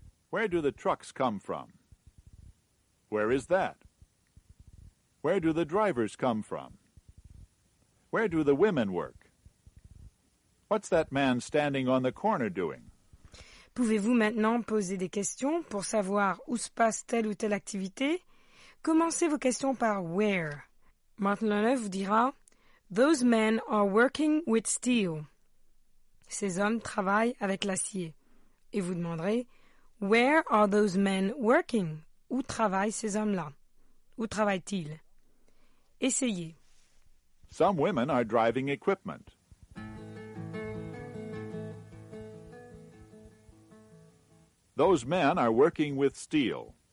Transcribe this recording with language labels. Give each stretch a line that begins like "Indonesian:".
English: Where do the trucks come from? Where is that? Where do the drivers come from? Where do the women work? What's that man standing on the corner doing?
French: Pouvez-vous maintenant poser des questions pour savoir où se passe telle ou telle activité? Commencez vos questions par « where ». Martin Leneuve vous dira «
English: Those men are working with steel ».
French: Ces hommes travaillent avec l'acier. Et vous demanderez «
English: Where are those men working ?»
French: Où travaillent ces hommes-là? Où travaillent-ils? Essayez.
English: Some women are driving equipment. Those men are working with steel.